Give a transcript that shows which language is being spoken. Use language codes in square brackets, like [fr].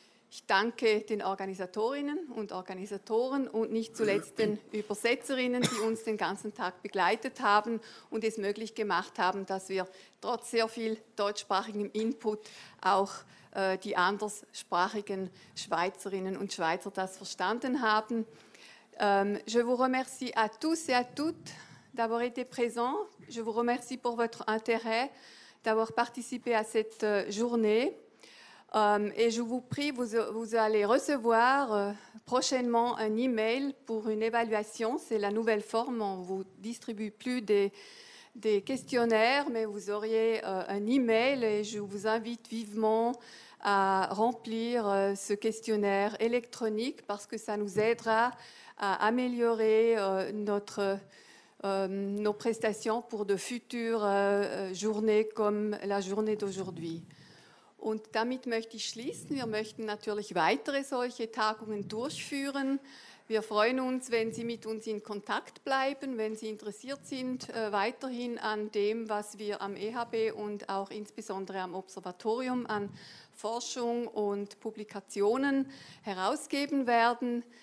[de] Ich danke den Organisatorinnen und Organisatoren und nicht zuletzt den Übersetzerinnen, die uns den ganzen Tag begleitet haben und es möglich gemacht haben, dass wir trotz sehr viel deutschsprachigem Input auch die anderssprachigen Schweizerinnen und Schweizer das verstanden haben. [fr] Je vous remercie à tous et à toutes d'avoir été présents. Je vous remercie pour votre intérêt d'avoir participé à cette journée. Et je vous prie, vous allez recevoir prochainement un email pour une évaluation. C'est la nouvelle forme, on ne vous distribue plus des questionnaires, mais vous auriez un email et je vous invite vivement à remplir ce questionnaire électronique parce que ça nous aidera à améliorer nos prestations pour de futures journées comme la journée d'aujourd'hui. [de] Und damit möchte ich schließen. Wir möchten natürlich weitere solche Tagungen durchführen. Wir freuen uns, wenn Sie mit uns in Kontakt bleiben, wenn Sie interessiert sind, weiterhin an dem, was wir am EHB und auch insbesondere am Observatorium an Forschung und Publikationen herausgeben werden.